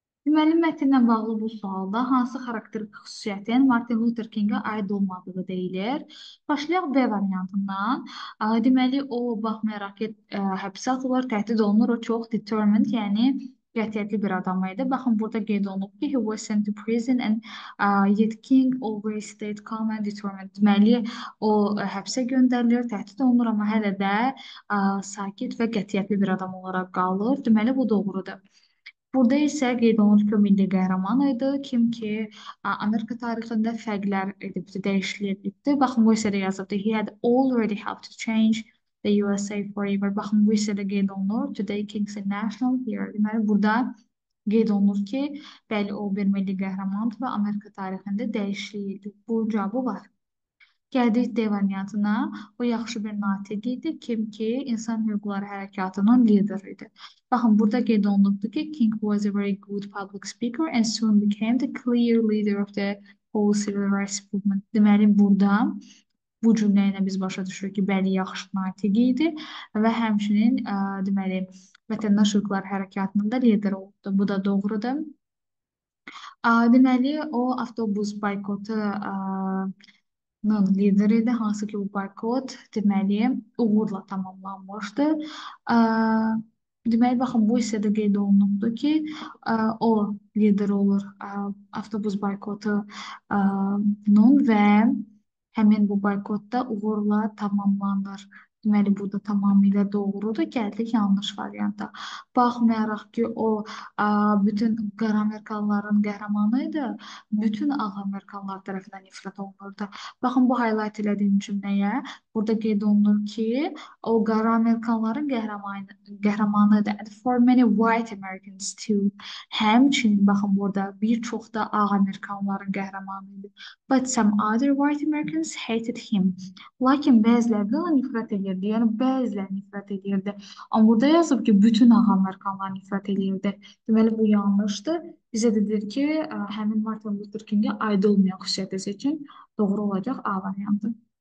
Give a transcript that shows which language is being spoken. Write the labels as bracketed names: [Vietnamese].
[Azerbaijani] Müəllim mətninə bağlı bu sualda hansı xarakterik xüsusiyyətin Martin Luther King-ə aid olmadığı deyilir? Başlayaq B variantından. Deməli, o baxmayaraq ki, həbsə atılır, təhdid olunur, o çox determined, yəni qətiyyətli bir adam idi. Baxın, burada qeyd olunub ki, [English] he was sent to prison and yet King always stayed calm and determined. [Azerbaijani] Deməli, o həbsə göndərilir, təhdid olunur, ama hələ də sakit və qətiyyətli bir adam olaraq qalır. Deməli, bu doğrudur. Burada isə qeyd olunur ki, o milli qəhrəman idi. Kim ki, Amerika tarixində fərqlər edibdi, dəyişilib edibdi. Baxın, bu isə də yazıbdır. [English] He had already helped to change the USA forever. [Azerbaijani] Baxın, bu isə də qeyd olunur. [English] Today King's a national hero. [Azerbaijani] Deməli, burada qeyd olunur ki, bəli, o bir milli qəhrəmandır və Amerika tarixində dəyişilib. Bu cavabı var. Gəldik D variantına. O yaxşı bir natiq idi. Kim ki, insan hüquqları hərəkatının lideri idi. Baxın, burada qeyd olunubdur ki, [English] King was a very good public speaker and soon became the clear leader of the whole civil rights movement. [Azerbaijani] Deməli, burada bu cümləyinə biz başa düşürük ki, bəli, yaxşı natiq idi və həmçinin deməli, vətəndaş hüquqları hərəkatının da lideri oldu. Bu da doğrudur. Deməli, o avtobus boykotu lideriydi. Hansı ki, bu boykot deməli, uğurla tamamlanmışdı. Deməli, baxın, bu hissədə qeyd olunubdur ki, o lider olur avtobus boykotunun və həmin bu boykotda uğurla tamamlanır. Deməli, bu da tamamilə doğrudur. Gəldik yanlış varianta. Baxmayaraq ki, o bütün qara Amerikalıların qəhrəmanıydı, bütün ağ Amerikalılar tərəfindən nifrət olunurdu. Baxın, bu highlight elədiyim cümləyə. Burada qeyd olunur ki, o qara Amerikalıların qəhrəmanıydı. [English] And for many white Americans too. [Azerbaijani] Həmçinin, baxın, burada bir çox da ağ Amerikalıların qəhrəmanıydı. [English] But some other white Americans hated him. [Azerbaijani] Lakin bəziləri ona nifrət edirdi. Yəni bəziləri nifrət edirdi. Ama burada yazıb ki, bütün ağ Amerikalılar nifrət edirdi. Deməli, bu yanlışdır. Bizə dedir ki, həmin Martin Luther King-ə aid olmayan xüsusiyyəti seçin. Doğru olacaq A variantı.